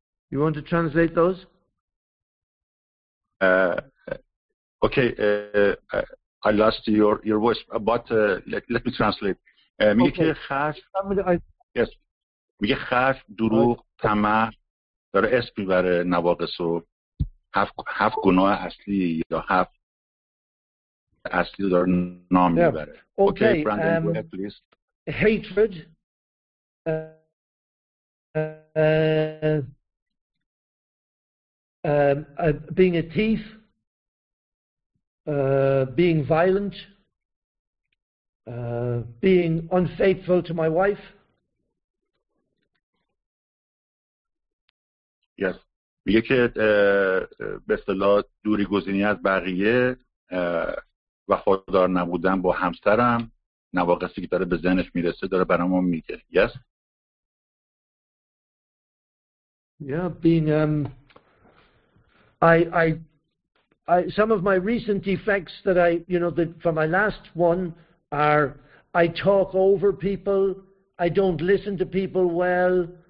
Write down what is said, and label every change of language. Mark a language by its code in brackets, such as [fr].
[en] You want to translate those? Okay, I lost your voice, but let me translate. [fa] میگه که خشم yes. میگه خشم دروغ طمع داره اسم میبره نواقص و هفت گناه اصلی یا هفت اصلی داره نام میبره. [en] Okay, Brandon, go ahead, please. Hatred, being a thief, being violent, being unfaithful to my wife. Yes. [fa] میگه که به اصطلاح دوری گزینی از بقیه و وفادار نبودن با همسرم نواقصی که داره به ذهنش میرسه داره برام میگه. [en] Yes. Yeah, being I some of my recent defects that I, you know, that for my last one are I talk over people, I don't listen to people well,